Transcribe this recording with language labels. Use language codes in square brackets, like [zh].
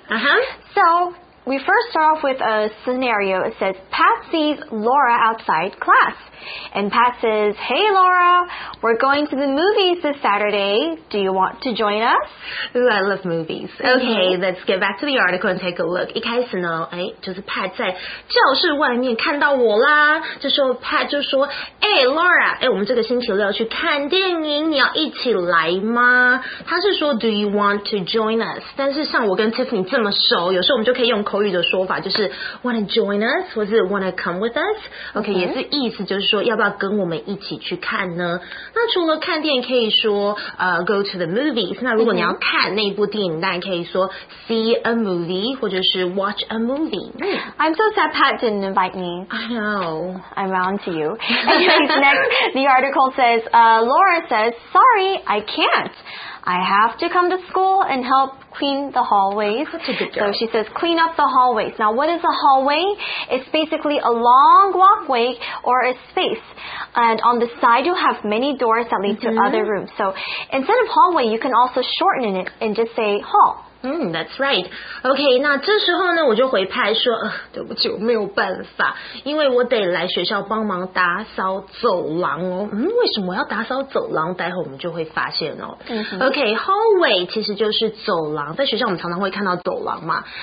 [en] Uh-huh. So, We first start off with a scenario. It says, Pat sees Laura outside class. And Pat says, hey, Laura, we're going to the movies this Saturday. Do you want to join us? Ooh, I love movies. Okay, let's get back to the article and take a look. [zh] 一开始呢，哎，就是 Pat 在教室外面看到我啦。这时候 Pat 就说，哎 ，Laura， 哎，我们这个星期六去看电影，你要一起来吗？他是说 ， [en] Do you want to join us？ [zh] 但是像我跟 Tiffany 这么熟，有时候我们就可以用口语的说法，就是 [en] Wanna join us， [zh] 或是 [en] Wanna come with us？ [zh] OK， 也是意思就是。就是说要不要跟我们一起去看呢？那除了看电影，可以说 [en] go to the movies。 [zh] 那如果你要看那部电影，那可以说 [en] see a movie [zh] 或者是 [en] watch a movie。 I'm so sad Pat didn't invite me. I know. I'm on to you. Anyways, next, the article says, Laura says, sorry, I can't. I have to come to school and help. Clean the hallways. That's a good job. So she says, clean up the hallways. Now, what is a hallway? It's basically a long walkway or a space. And on the side, you have many doors that lead to other rooms. So instead of hallway, you can also shorten it and just say hall. That's right. [zh] Okay, 那这时候呢，我就回派说，对不起，我没有办法，因为我得来学校帮忙打扫走廊哦。为什么要打扫走廊？待会我们就会发现哦。 Okay, hallway 其实就是走廊，在学校我们常常会看到走廊嘛。